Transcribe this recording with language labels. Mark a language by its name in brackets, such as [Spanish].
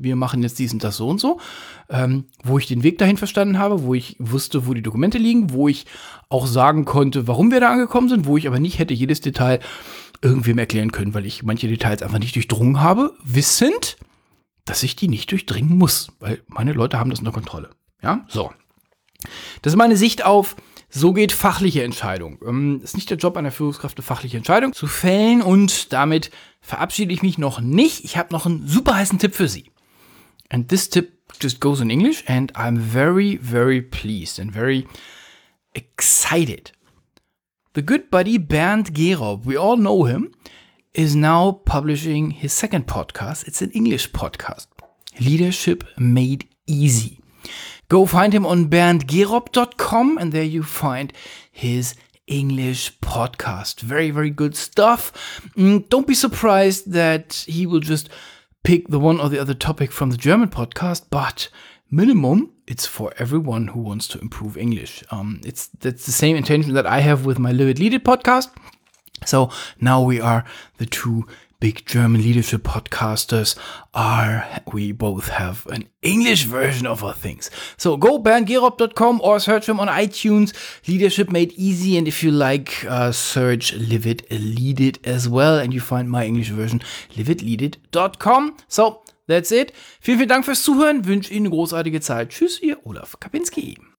[German] Wir machen jetzt dies und das so und so. Wo ich den Weg dahin verstanden habe, wo ich wusste, wo die Dokumente liegen, wo ich auch sagen konnte, warum wir da angekommen sind, wo ich aber nicht hätte jedes Detail irgendwem erklären können, weil ich manche Details einfach nicht durchdrungen habe, wissend, dass ich die nicht durchdringen muss, weil meine Leute haben das unter Kontrolle. Ja, so. Das ist meine Sicht auf, so geht fachliche Entscheidung. Ist nicht der Job einer Führungskraft, eine fachliche Entscheidung zu fällen. Und damit verabschiede ich mich noch nicht. Ich habe noch einen super heißen Tipp für Sie. [English] And this tip just goes in English. And I'm very, very pleased and very excited. The good buddy Bernd Gerob, we all know him, is now publishing his second podcast. It's an English podcast. Leadership Made Easy. Go find him on berndgerob.com and there you find his English podcast. Very, very good stuff. Don't be surprised that he will just pick the one or the other topic from the German podcast, but minimum, it's for everyone who wants to improve English. That's the same intention that I have with my Live It Lead It podcast. So now we are the two big German leadership podcasters are, we both have an English version of our things. So go berndgerob.com or search him on iTunes, Leadership Made Easy. And if you like, search Live It Lead It as well. And you find my English version, liveitleadit.com. So that's it. [German] Vielen, vielen Dank fürs Zuhören. Wünsche Ihnen eine großartige Zeit. Tschüss, Ihr Olaf Kapinski.